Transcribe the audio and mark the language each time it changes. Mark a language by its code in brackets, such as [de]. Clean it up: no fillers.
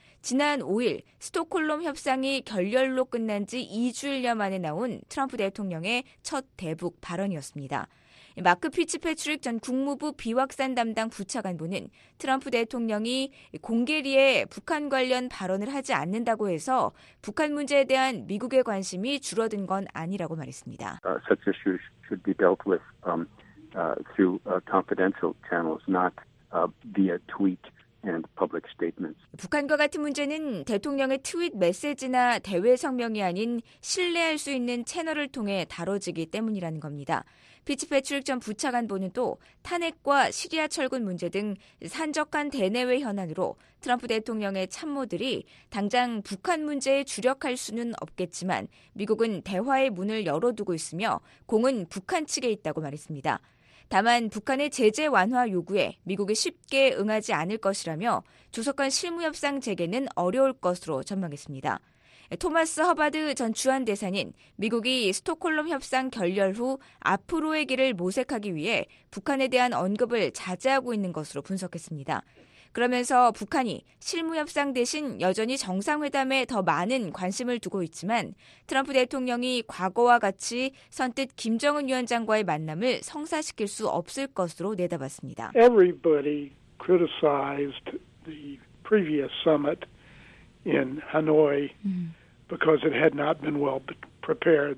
[ko] 지난 5일 스톡홀름 협상이 결렬로 끝난 지 2주일여 만에 나온 트럼프 대통령의 첫 대북 발언이었습니다. 마크 피츠패트릭 전 국무부 비확산 담당 부차관보는 트럼프 대통령이 공개리에 북한 관련 발언을 하지 않는다고 해서 북한 문제에 대한 미국의 관심이 줄어든 건 아니라고 말했습니다. [en] Such issues should be dealt with through confidential channels, not via tweet. And public statements. [ko] 북한과 같은 문제는 대통령의 트윗 메시지나 대외 성명이 아닌 신뢰할 수 있는 채널을 통해 다뤄지기 때문이라는 겁니다. 피츠패트릭 전 부차관보는 또 탄핵과 시리아 철군 문제 등 산적한 대내외 현안으로 트럼프 대통령의 참모들이 당장 북한 문제에 주력할 수는 없겠지만 미국은 대화의 문을 열어두고 있으며 공은 북한 측에 있다고 말했습니다. 다만 북한의 제재 완화 요구에 미국이 쉽게 응하지 않을 것이라며 조속한 실무협상 재개는 어려울 것으로 전망했습니다. 토마스 허바드 전 주한대사는 미국이 스톡홀름 협상 결렬 후 앞으로의 길을 모색하기 위해 북한에 대한 언급을 자제하고 있는 것으로 분석했습니다. 그러면서 북한이 실무협상 대신 여전히 정상회담에 더 많은 관심을 두고 있지만 트럼프 대통령이 과거와 같이 선뜻 김정은 위원장과의 만남을 성사시킬 수 없을 것으로 내다봤습니다. [en] Everybody criticized the previous summit in Hanoi because it had not been well prepared.